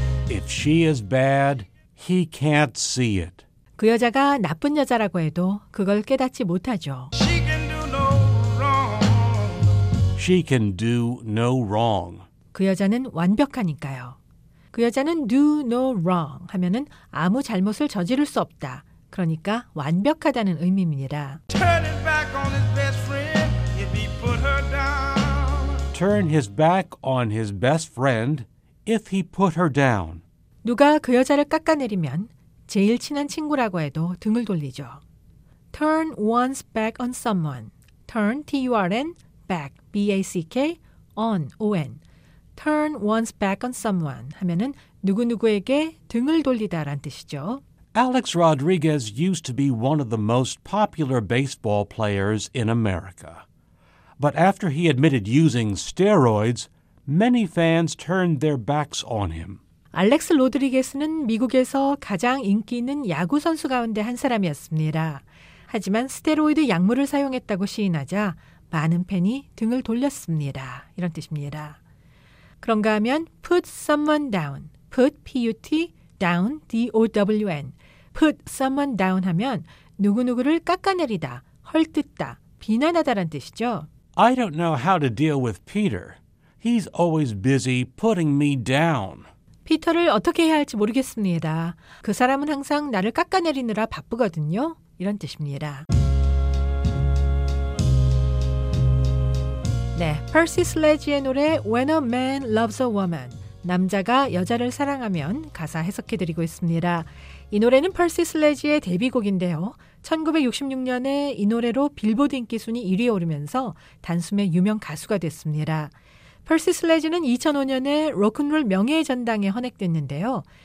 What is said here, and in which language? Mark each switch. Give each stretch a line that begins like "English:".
English: If she is bad, he can't see it.
Korean: 그 여자가 나쁜 여자라고 해도 그걸 깨닫지 못하죠.
English: She can do no wrong. She can do no wrong.
Korean: 그 여자는 완벽하니까요. 그 여자는 do no wrong 하면은 아무 잘못을 저지를 수 없다. 그러니까 완벽하다는 의미입니다.
English: Turn his back on his best friend if he put her down. Turn his back on his best friend. If he put her down.
Korean: 누가 그 여자를 깎아내리면 제일 친한 친구라고 해도 등을 돌리죠.
English: Turn one's back on someone. Turn, T-U-R-N, back, B-A-C-K, on, O-N.
Korean: Turn one's back on someone 하면은 누구누구에게 등을 돌리다란 뜻이죠.
English: Alex Rodriguez used to be one of the most popular baseball players in America. But after he admitted using steroids, Many fans turned their backs on him.
Korean: 알렉스 로드리게스는 미국에서 가장 인기 있는 야구 선수 가운데 한 사람이었습니다. 하지만 스테로이드 약물을 사용했다고 시인하자 많은 팬이 등을 돌렸습니다. 이런 뜻입니다. 그런가 하면
English: put someone down. put P-U-T down D-O-W-N.
Korean: put someone down 하면 누구누구를 깎아내리다, 헐뜯다, 비난하다란 뜻이죠.
English: I don't know how to deal with Peter. He's always busy putting me down.
Korean: 피터를 어떻게 해야 할지 모르겠습니다. 그 사람은 항상 나를 깎아내리느라 바쁘거든요. 이런 뜻입니다. 네, Percy Sledge의 노래 When a Man Loves a Woman. 남자가 여자를 사랑하면 가사 해석해드리고 있습니다. 이 노래는 펄시 슬레지의 데뷔곡인데요. 1966년에 이 노래로 빌보드 인기 순위 1위에 오르면서 단숨에 유명 가수가 됐습니다. 펄시 슬레지는 2005년에 로큰롤 명예의 전당에 헌액됐는데요.